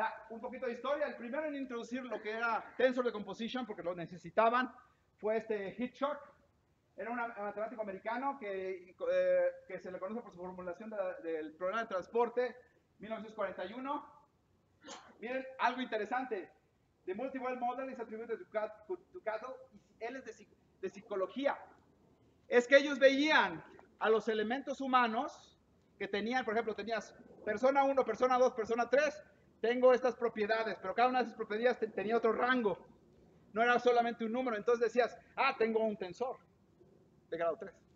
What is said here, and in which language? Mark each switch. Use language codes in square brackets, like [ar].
[es] Un poquito de historia, el primero en introducir lo que era Tensor Decomposition, porque lo necesitaban, fue este Hitchcock. Era un matemático americano que se le conoce por su formulación del problema de transporte, 1941. Miren, algo interesante. [en] The multi-well model is attributed to Cato. [es] Él es de psicología. Es que ellos veían a los elementos humanos que tenían, por ejemplo, tenías persona 1, persona 2, persona 3. Tengo estas propiedades, pero cada una de esas propiedades tenía otro rango. No era solamente un número. Entonces decías, tengo un tensor de grado 3.